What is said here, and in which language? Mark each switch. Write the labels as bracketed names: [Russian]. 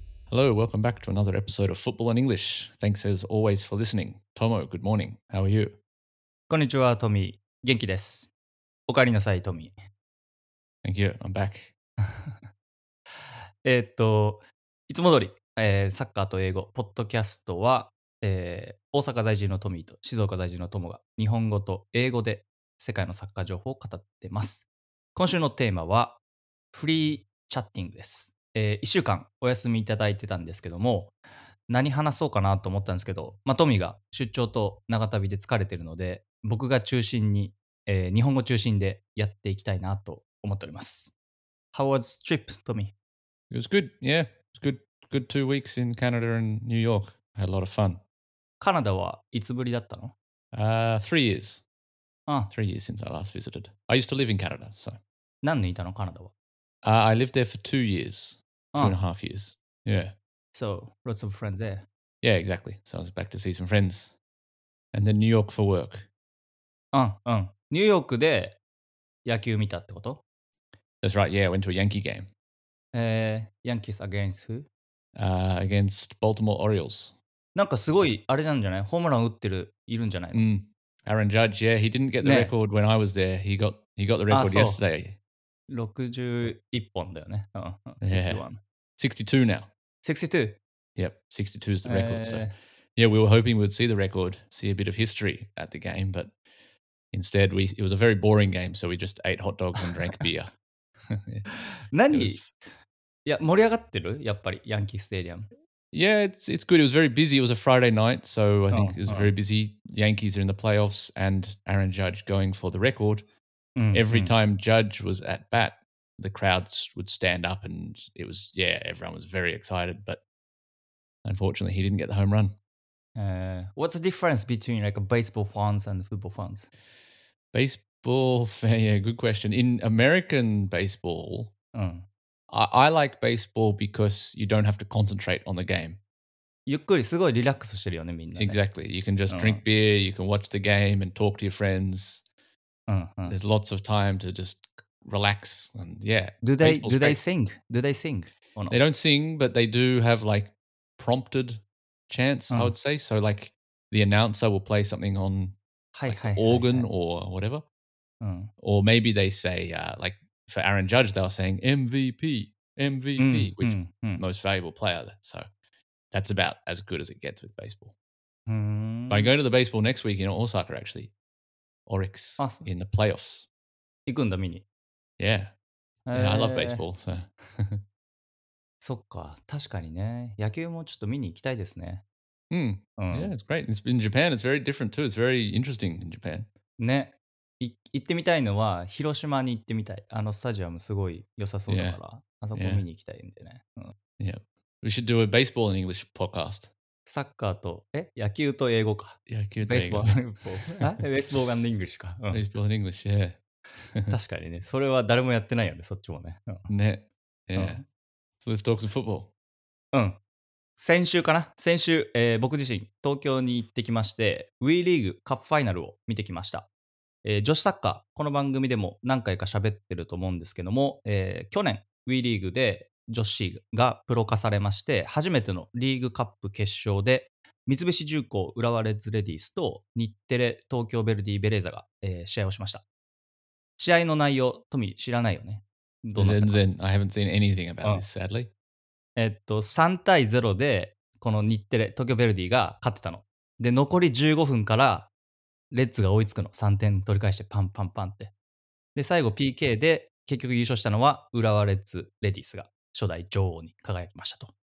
[English] Hello, welcome back to another episode of Football and English. Thanks as always for listening. Tomo, good morning. How are you? [Japanese] こんにちは、トミー。元気です。おかえりなさい、トミー。 [English] Thank you. I'm back. [Japanese] いつも通り、サッカーと英語、ポッドキャストは、大阪在住のトミーと静岡在住のトモが日本語と英語で世界のサッカー情報を語ってます。今週のテーマはフリーチャッティングです。 1週間お休みいただいてたんですけども、何話そうかなと思ったんですけど、まあ、トミーが出張と長旅で疲れてるので、僕が中心に、日本語中心でやっていきたいなと思っております。 [English] How was the trip, Tommy? It was good, yeah. It was good 2 weeks in Canada and New York. I had a lot of fun. [Japanese] カナダはいつぶりだったの [English] 3 years. Three years since I last visited. I used to live in Canada, so. [Japanese] 何年いたの、カナダは [English] I lived there for 2 years. Two and a half years. Yeah. So, lots of friends there. Yeah, exactly. So I was back to see some friends. And then New York for work. [Japanese] New York で野球見たってこと? [English] That's right, yeah. I went to a Yankee game. Yankees against who? Against Baltimore Orioles. [Japanese] なんかすごいあれなんじゃない?ホームラン打ってる、いるんじゃない? [English] Mm. Aaron Judge, yeah. He didn't get the record when I was there. He got the record yesterday. [Japanese] 61本だよね。 [English] 62 now. 62? Yep, 62 is the record. So, yeah, we were hoping we'd see the record, see a bit of history at the game, but instead, it was a very boring game, so we just ate hot dogs and drank beer. [Japanese] 何?いや、盛り上がってる? やっぱり、ヤンキースタジアム。 [English] Yeah, it's good. It was very busy. It was a Friday night, so I think it was very busy. Yankees are in the playoffs, and Aaron Judge going for the record. Every time Judge was at bat, the crowds would stand up and it was, yeah, everyone was very excited, but unfortunately he didn't get the home run. What's the difference between like baseball fans and football fans? Baseball, yeah, good question. In American baseball, I like baseball because you don't have to concentrate on the game. [Japanese] ゆっくりすごいリラックスしてるよねみんなね。 [English] Exactly. You can just drink beer, you can watch the game and talk to your friends. There's lots of time to just relax and yeah. Do they sing? Do they sing? Or not? They don't sing, but they do have like prompted chants, I would say. So like the announcer will play something on organ or whatever. Or maybe they say, like for Aaron Judge, they were saying MVP, which most valuable player. So that's about as good as it gets with baseball. But I'm going to the baseball next week in Osaka actually. Oryx in the playoffs. [Japanese] 行くんだ、ミニ。 [English] Yeah. I love baseball, so. [Japanese] そっか、確かにね。野球もちょっと見に行きたいですね。 [English] Yeah, it's great. It's in Japan, it's very different too. It's very interesting in Japan. [Japanese] ね。行ってみたいのは、広島に行ってみたい。あのスタジアムすごい良さそうだから、あそこ見に行きたいんでね。 [English] Yeah. We should do a baseball and English podcast. [Japanese] サッカーと、野球と英語か。野球と英語。ベースボール [English] and English [Japanese] か。ベースボール [English] and English、 [Japanese] 確かにね。それは誰もやってないよね、そっちもね。ね。Yeah. [English] So let's talk some football. [Japanese] 先週かな。先週、僕自身、東京に行ってきまして、WE リーグカップファイナルを見てきました。女子サッカー、この番組でも何回か喋ってると思うんですけども、去年、WE リーグで、女子がプロ化されまして初めてのリーグカップ決勝で三菱重工浦和レッズレディースと日テレ東京ヴェルディベレーザが、試合をしました試合の内容トミー知らないよねどうなったか全然 [English] I haven't seen anything about this sadly [Japanese] 3対0でこの日テレ東京ヴェルディが勝ってたので残り15分からレッズが追いつくの3点取り返してパンパンパンってで最後 PK で結局優勝したのは浦和レッズレディースが初代女王に輝きましたと。